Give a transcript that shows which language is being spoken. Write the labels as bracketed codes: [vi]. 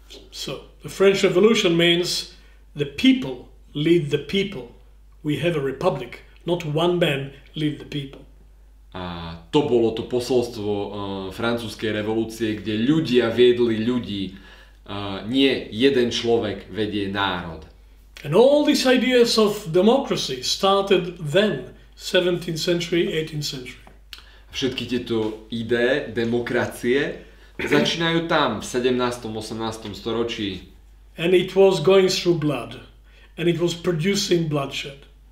[en] So, the French Revolution means the people lead the people. We have a republic, not one man lead the people. [sk] A to bolo to posolstvo francúzskej revolúcie, kde ľudia viedli ľudí, nie jeden človek vedie národ. [en] And all these ideas of democracy started then, 17th century, 18th century. [sk] Všetky tieto ideje demokracie začínajú tam v 17. 18. storočí. [en] And it was going through blood. And it was producing bloodshed.